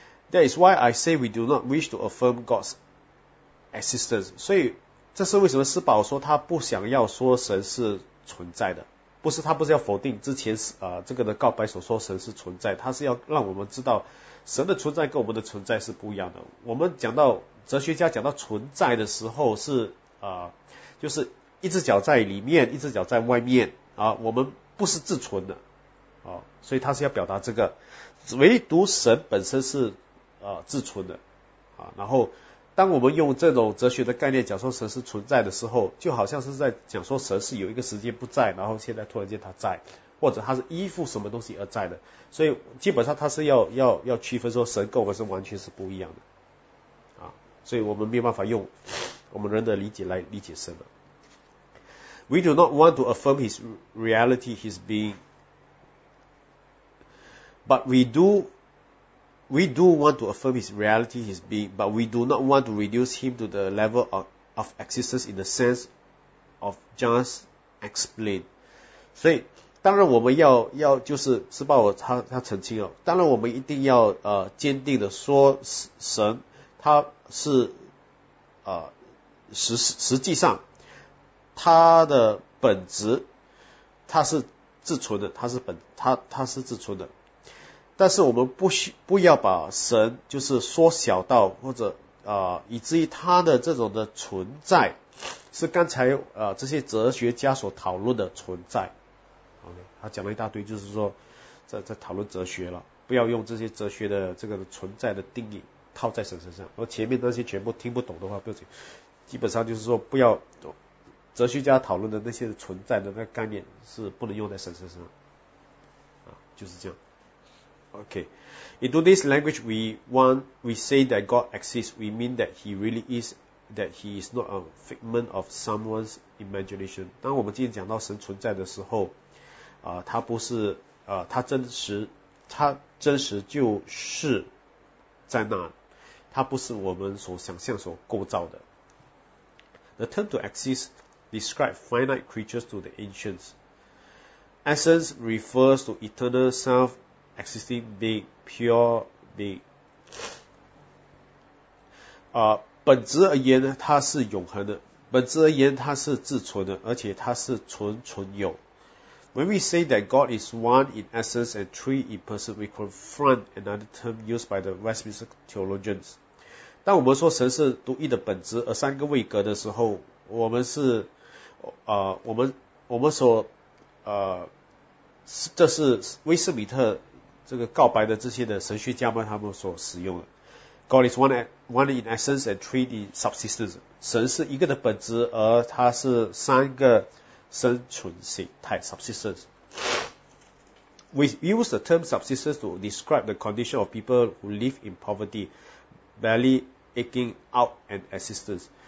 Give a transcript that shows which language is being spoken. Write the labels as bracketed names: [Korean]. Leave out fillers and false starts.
[English] That is why I say we do not wish to affirm God's existence. [Chinese] 所以这是为什么施宝说他不想要说神是存在的，不是他不是要否定之前这个的告白所说神是存在，他是要让我们知道神的存在跟我们的存在是不一样的。我们讲到哲学家讲到存在的时候是就是一只脚在里面，一只脚在外面我们不是自存的所以他是要表达这个，唯独神本身是自存的然后当我们用这种哲学的概念讲说神是存在的时候，就好像是在讲说神是有一个时间不在，然后现在突然间他在，或者他是依附什么东西而在的，所以基本上他是要区分说神跟我们是完全是不一样的所以我们没有办法用我们人的理解来理解神了。 [English] We do not want to affirm his reality, his being. But we do want to affirm his reality, his being, but we do not want to reduce him to the level of existence in the sense of just explain. [Chinese] 所以当然我们要就是施鲍尔他澄清了，当然我们一定要坚定的说神他是实际上他的本质他是自存的，他是自存的。但是我们不要把神就是缩小到或者以至于他的这种的存在是刚才这些哲学家所讨论的存在。他讲了一大堆，就是说在讨论哲学了，不要用这些哲学的这个存在的定义套在神身上。而前面那些全部听不懂的话，不要紧，基本上就是说不要哲学家讨论的那些存在的那个概念是不能用在神身上。就是这样。Okay. [English] In today's language, we say that God exists. We mean that he really is, that he is not a figment of someone's imagination. [Chinese] 当我们今天讲到神存在的时候，他不是他真实就是在那，他不是我们所想象所构造的。 [English] The term to exist describes finite creatures to the ancients. Essence refers to eternal self existing being, pure being. [Chinese] 本质而言呢，它是永恒的，本质而言它是自存的，而且它是存有。 [English] When we say that God is one in essence and three in person, we confront another term used by the Westminster theologians. [Chinese] 当我们说神是独一的本质，而三个位格的时候，我们是，我们所，这是威斯米特这个告白的这些的神学家们他们所使用的。 [English] God is one in essence and three in subsistence. [Chinese] 神是一个的本质，而它是三个生存形态 subsistence. [English] We use the term subsistence to describe the condition of people who live in poverty, barely aching out an existence.